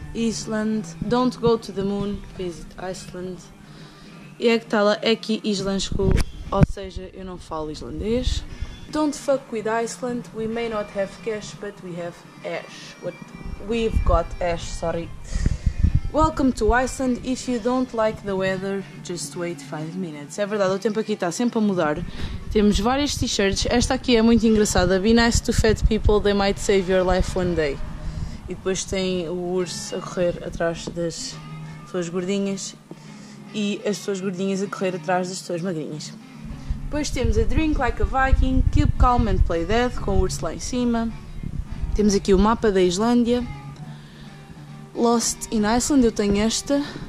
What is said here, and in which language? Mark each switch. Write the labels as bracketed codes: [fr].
[en] Iceland, don't go to the moon, visit Iceland. [pt] E é que está lá, é que islandesco, ou seja, eu não falo islandês. [en] Don't fuck with Iceland, we may not have cash, but we have ash. We've got ash. Welcome to Iceland, if you don't like the weather, just wait 5 minutes. [pt] É verdade, o tempo aqui está sempre a mudar. Temos várias t-shirts, esta aqui é muito engraçada. [en] Be nice to fat people, they might save your life one day. [pt] E depois tem o urso a correr atrás das pessoas gordinhas e as pessoas gordinhas a correr atrás das pessoas magrinhas. Depois temos a [en] Drink Like a Viking, Keep Calm and Play Dead, [pt] com o urso lá em cima. Temos aqui o mapa da Islândia. [en] Lost in Iceland, [pt] eu tenho esta.